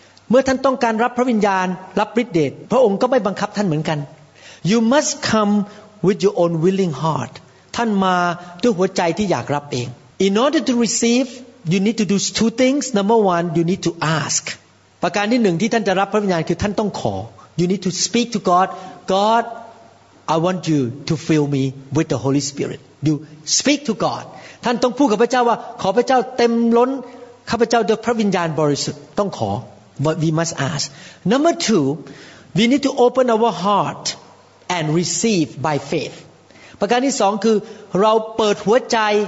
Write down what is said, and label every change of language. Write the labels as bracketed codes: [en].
[th] เมื่อท่านต้องการรับพระวิญญาณรับฤทธิ์เดชพระองค์ก็ไม่บังคับท่านเหมือนกัน [en] You must come with your own willing heart. [th] ท่านมาด้วยหัวใจที่อยากรับเอง [en] In order to receive, you need to do two things. Number one, you need to ask. [th] ประการที่หนึ่งที่ท่านจะรับพระวิญญาณคือท่านต้องขอ [en] You need to speak to God. God, I want you to fill me with the Holy Spirit. You speak to God. [th] ท่านต้องพูดกับพระเจ้าว่าขอพระเจ้าเต็มล้นข้าพเจ้าด้วยพระวิญญาณบริสุทธิ์ต้องขอ [en] we must ask number two we need to open our heart and receive by faith [th] ประการที่สองคือเราเปิดหัวใจ